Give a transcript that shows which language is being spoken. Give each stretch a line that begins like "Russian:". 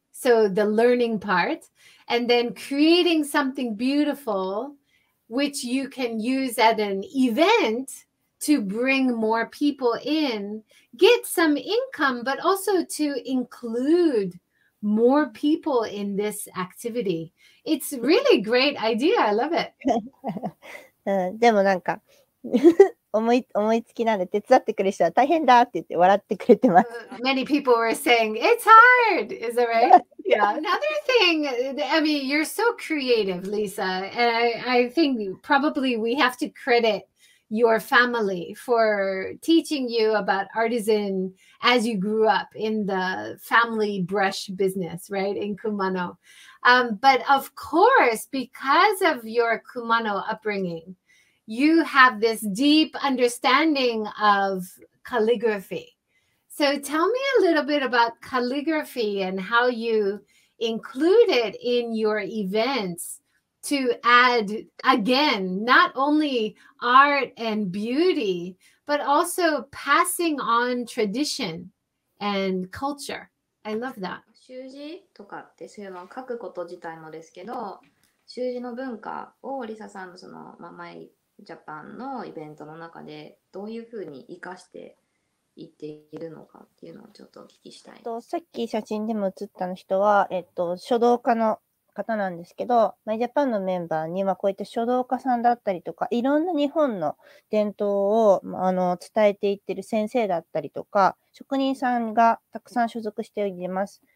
English: So the learning part, and then creating something beautiful, which you can use at an event to bring more people in, get some income, but also to include more people in this activity. It's a really great idea. I love it.
Japanese: でもなんか思いつきなんで手伝ってくれる人は大変だって言って笑ってくれてます。
English: Many people were saying, it's hard, is it right? Yeah. Another thing, I mean, you're so creative, Lisa, and I think probably we have to credit your family for teaching you about artisan as you grew up in the family brush business, right, in Kumano. But of course, because of your Kumano upbringing, you have this deep understanding of calligraphy. So tell me a little bit about calligraphy and how you include it in your events to add, again, not only art and beauty, but also passing on tradition and culture. I love that.
Japanese: 習字とかってそういうのを書くこと自体もですけど、習字の文化をリサさんのその、まあ、MyJapan のイベントの中でどういうふうに活かしていっているのかっていうのをちょっとお聞きしたい。さっき写真でも写ったの人は、書道家の方なんですけど、MyJapan のメンバーにはこういった書道家さんだったりとか、いろんな日本の伝統を伝えていってる先生だったりとか、職人さんがたくさん所属しています。